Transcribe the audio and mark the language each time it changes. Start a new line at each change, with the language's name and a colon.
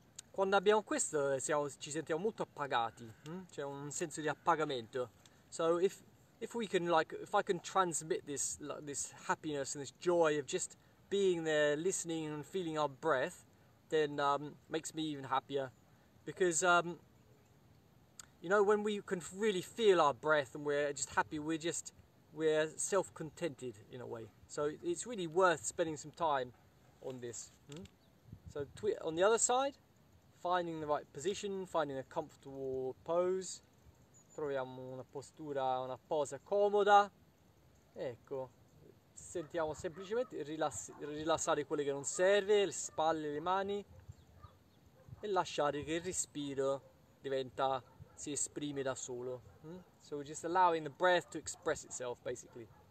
Italian: quando abbiamo questo ci sentiamo molto appagati, c'è un senso di appagamento.
English: So if we can like if I can transmit this like, this happiness and this joy of just being there, listening and feeling our breath, then makes me even happier because when we can really feel our breath and we're just happy, we're self-contented in a way. So it's really worth spending some time on this. So on the other side, finding the right position, finding a comfortable pose.
Italian: Troviamo una posa comoda. Ecco. Sentiamo semplicemente rilassare quelle che non serve, le spalle, le mani. E lasciare che il respiro diventa, si esprime da solo.
English: So we're just allowing the breath to express itself, basically.